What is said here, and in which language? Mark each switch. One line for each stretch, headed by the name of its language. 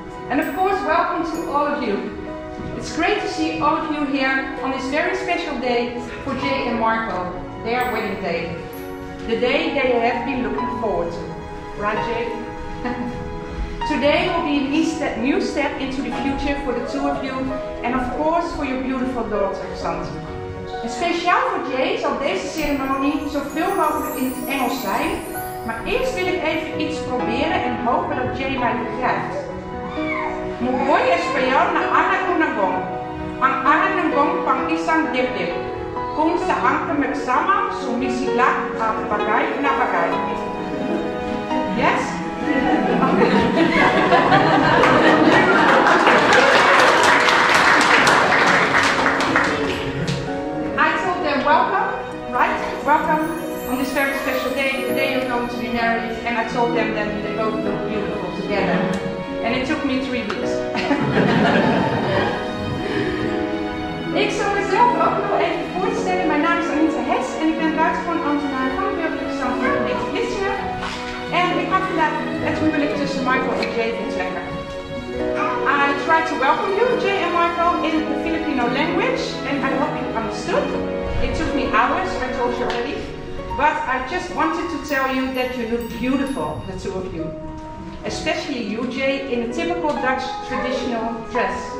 English: And of course, welcome to all of you. It's great to see all of you here on this very special day for Jay and Marco, their wedding day. The day they have been looking forward to. Right, Jay? Today will be a new step into the future for the two of you and of course for your beautiful daughter, Santi.
Dutch: En speciaal voor Jay zal deze ceremonie zoveel mogelijk in het Engels zijn. Maar eerst wil ik even iets proberen en hopen dat Jay mij begrijpt. Muy buen español na ana kunagon. Ang ana nanggong pang isang dibdib. Kung sa ang kamagsama, sumisila ang bagay na bagay.
English: Yes? I told them welcome, right? Welcome on this very special day, the day you're going to be married, and I told them that they both look beautiful together. And it took me 3 weeks.
Dutch: Ik zal mezelf ook nog even voorstellen. Mijn naam is Anita Hess en ik ben buitengewoon ambtenaar van Burgerlijke Zandvoort in Vlissingen. En ik ga vandaag het huwelijk tussen Marco en Jay vertellen.
English: I try to welcome you, Jay and Marco, in the Filipino language. And I hope you understood. It took me hours, I told you already. But I just wanted to tell you that you look beautiful, the two of you. Especially you, Jay, in a typical Dutch traditional dress.